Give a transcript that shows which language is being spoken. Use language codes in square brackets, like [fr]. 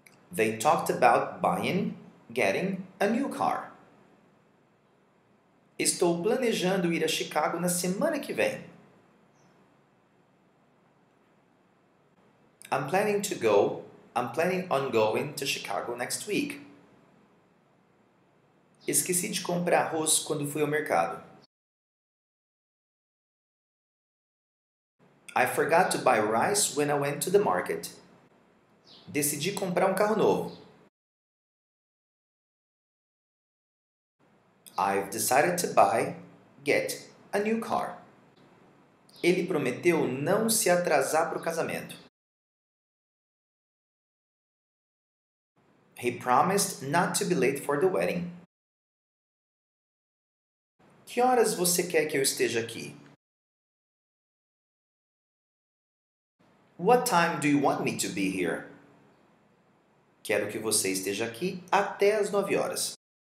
[en] They talked about buying, getting a new car. [pt] Estou planejando ir a Chicago na semana que vem. [en] I'm planning on going to Chicago next week. [pt] Esqueci de comprar arroz quando fui ao mercado. [en] I forgot to buy rice when I went to the market. [pt] Decidi comprar um carro novo. [en] I've decided to buy, get a new car. [pt] Ele prometeu não se atrasar para o casamento. [en] He promised not to be late for the wedding. [pt] Que horas você quer que eu esteja aqui? [en] What time do you want me to be here? [pt] Quero que você esteja aqui até as 9 horas.